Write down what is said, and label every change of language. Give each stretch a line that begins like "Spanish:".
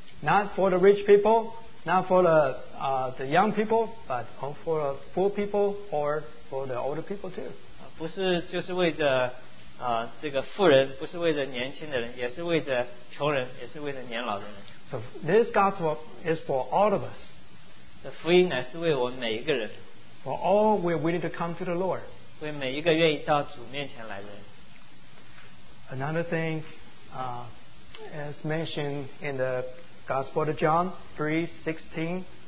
English: not for the rich people, not for the young people, but for the poor people or for the older people too.
Chinese: 不是就是为着, 这个富人, 不是为着年轻的人, 也是为着穷人, 也是为着年老的人。
English: So this gospel is for all of us.
Chinese: 福音乃是为我们每一个人,
English: for all we are willing to come to the Lord.
Chinese: 为每一个愿意到主面前来的人。
English: Another thing, as mentioned in the Gospel of John 3:16-17.